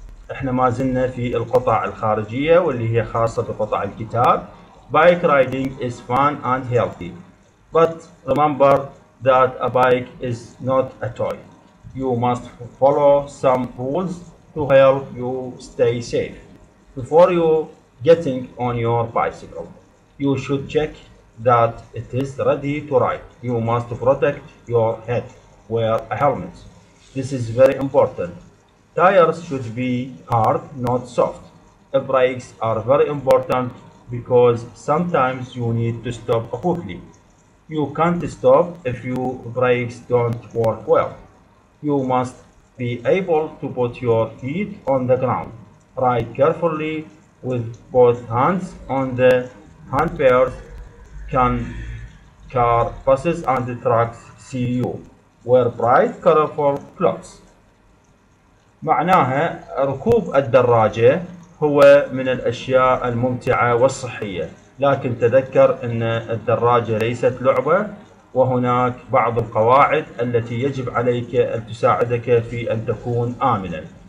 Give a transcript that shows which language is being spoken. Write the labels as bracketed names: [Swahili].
[Arabic] احنا ما زلنا في القطع الخارجية واللي هي خاصة بقطع الكتاب. [English] Bike riding is fun and healthy. But remember that a bike is not a toy. You must follow some rules to help you stay safe. Before you getting on your bicycle, you should check that it is ready to ride. You must protect your head. Wear a helmet. This is very important. Tires should be hard, not soft. Brakes are very important because sometimes you need to stop quickly. You can't stop if your brakes don't work well. You must be able to put your feet on the ground. Ride carefully with both hands on the handlebars. Can car buses and the trucks see you? Wear bright colorful clothes. [Arabic] معناها ركوب الدراجة هو من الأشياء الممتعة والصحية، لكن تذكر أن الدراجة ليست لعبة، وهناك بعض القواعد التي يجب عليك أن تساعدك في أن تكون آمنا.